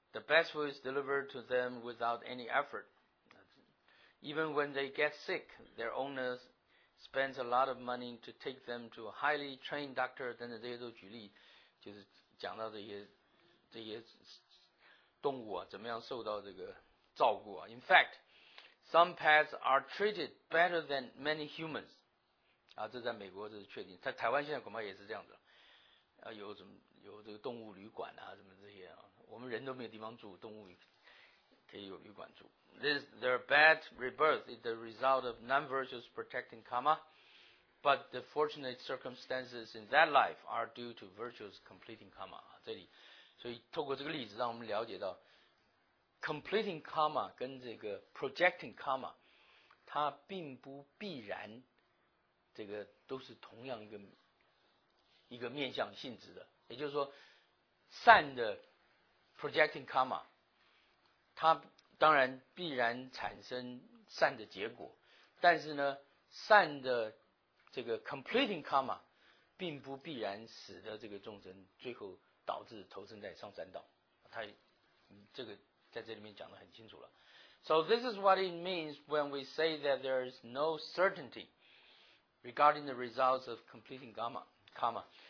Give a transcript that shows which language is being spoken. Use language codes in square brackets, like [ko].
[en] The best food is delivered to them without any effort. Even when they get sick, their owners spend a lot of money to take them to a highly trained doctor. [zh] 等等，这些都举例，就是讲到这些动物啊，怎么样受到这个照顾啊。 In fact, some pets are treated better than many humans. 啊，这在美国这是确定，在台湾现在恐怕也是这样子。啊，有这个动物旅馆啊，什么这些啊。我们人都没有地方住，动物可以有旅馆住。 [en] Their bad rebirth is the result of non-virtuous protecting karma, but the fortunate circumstances in that life are due to virtuous completing karma. [zh] 这里，所以透过这个例子，让我们了解到 completing karma 跟这个 projecting karma， 它并不必然这个都是同样一个面向性质的。也就是说，善的projecting karma， 它当然必然产生善的结果，但是呢，善的这个 completing karma 并不必然使得这个众生最后导致投身在上善道。它这个在这里面讲得很清楚了。 [en] So this is what it means when we say that there is no certainty regarding the results of completing karma.